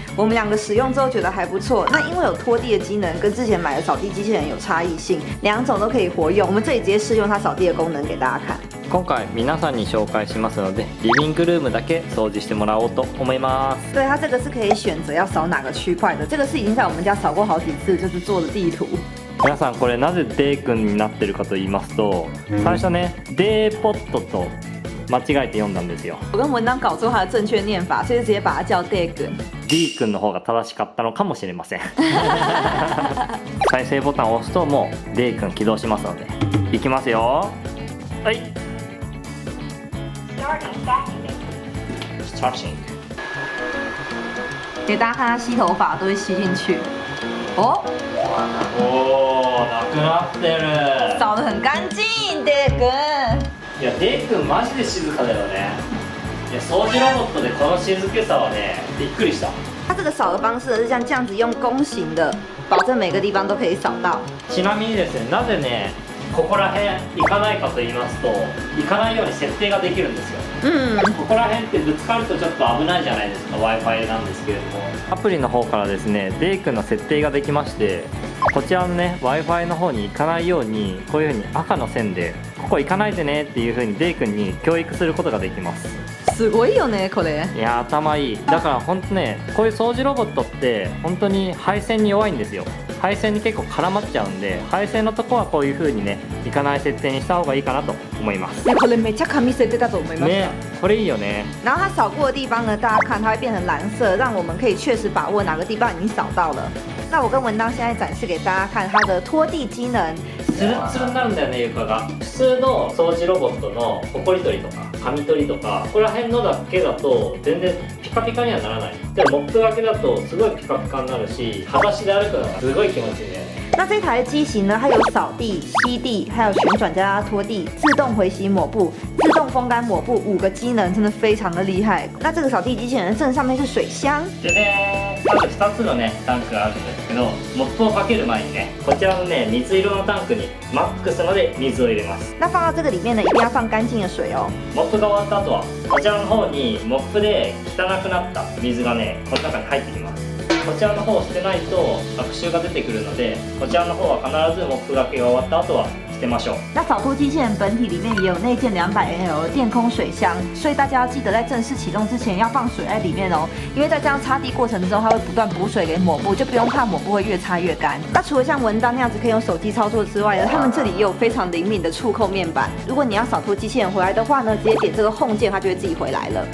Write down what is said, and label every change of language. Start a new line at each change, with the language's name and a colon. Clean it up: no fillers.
Chinese: 我们两个使用之后觉得还不错。那因为有拖地的机能，跟之前买的扫地机器人有差异性，两种都可以活用。我们这里直接试用它扫地的功能给大家看。
Japanese: 今回皆さんに紹介しますので、リビングルームだけ掃除してもらおうと思います。
Chinese: 对，它这个是可以选择要扫哪个区块的，这个是已经在我们家扫过好几次，就是做的地图。
Japanese: 皆さんこれなぜデイ君になってるかと言いますと、最初ねデイポットと間違えて読んだんですよ。
Chinese: 我跟文章搞错它的正确念法，所以直接把它叫デイ君。
Japanese: D 君の方が正しかったのかもしれません。再生ボタンを押すともうデイ君起動しますので、いきますよ。はい、
Chinese: 给大家看他吸头发都会吸进去。哦，
Japanese: 哦，なくなってる。
Chinese: 扫得很干净，デイ君。
Japanese: いや、デイ君マジで静かだよね。いや、掃除ロボットでこの静けさはね、びっくりした。
Chinese: 他这个扫的方式是像这样子用弓形的，保证每个地方都可以扫到。
Japanese: ちなみにですね、なぜね。ここら辺行かないかと言いますと、行かないように設定ができるんですよ。ここら辺ってぶつかるとちょっと危ないじゃないですか、 Wi-Fi なんですけれども、アプリの方からですねデイ君の設定ができまして、こちらのね Wi-Fi の方に行かないように、こういうふうに赤の線でここ行かないでねっていうふうにデイ君に教育することができます。すごいよねこれ。いや頭いい。だから本当ね、こういう掃除ロボットって本当に配線に弱いんですよ。配線に結構絡まっちゃうんで、配線のとこはこういう風にね行かない設定にした方がいいかなと思います。これめっちゃ神設定だと思いました。ね、これいいよね。
Chinese: 然后它扫过的地方呢，大家看它会变成蓝色，让我们可以确实把握哪个地方已经扫到了。那我跟文章现在展示给大家看它的拖地机能。
Japanese: ツルツルなんだよね床が。普通の掃除ロボットのホコリ取りとか紙取りとか、ここら辺のだけだと全然ピカピカにはならない。でもモップだけだとすごいピカピカになるし、裸足で歩くのがすごい気持ちいいね。
Chinese: 那这台机型呢，它有扫地、吸地，还有旋转加拖地、自动回洗抹布、自动风干抹布，五个机能真的非常的厉害。那这个扫地机器人正上面是水箱。这边
Japanese: 二つのねタンクがあるんですけど、モップをかける前にね、こちらのね水色のタンクにマックスまで水を入れます。
Chinese: 那放到这个里面呢，一定要放干净的水哦。
Japanese: モップが終わった後は、こちらの方にモップで汚くなった水がねこの中に入ってきます。こちらの方を捨てないと悪臭が出てくるので、こちらの方は必ずモップがけが終わった後は捨てましょう。
Chinese: 那扫拖机器人本体里面也有内建 200L 电空水箱，所以大家要记得在正式启动之前要放水在里面哦，因为在这样擦地过程之后它会不断补水给抹布，就不用怕抹布会越擦越干。那除了像文章那样子可以用手机操作之外呢，他们这里也有非常灵敏的触控面板，如果你要扫拖机器人回来的话呢，直接点这个 Home 键它就会自己回来了。